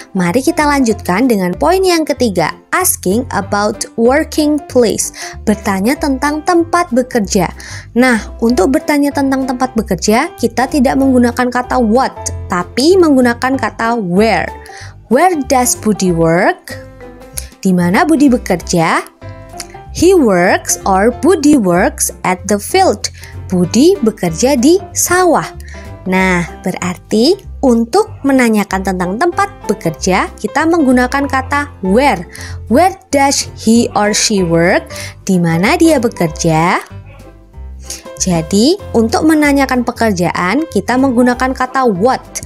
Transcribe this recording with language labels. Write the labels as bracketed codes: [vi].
[id] Mari kita lanjutkan dengan poin yang ketiga, [en] asking about working place, [id] bertanya tentang tempat bekerja. Nah, untuk bertanya tentang tempat bekerja, kita tidak menggunakan kata what, tapi menggunakan kata where. [en] Where does Budi work? [id] Di mana Budi bekerja? [en] He works or Budi works at the field. [id] Budi bekerja di sawah. Nah, berarti untuk menanyakan tentang tempat bekerja, kita menggunakan kata where. [en] Where does he or she work? [id] Di mana dia bekerja? Jadi, untuk menanyakan pekerjaan, kita menggunakan kata what.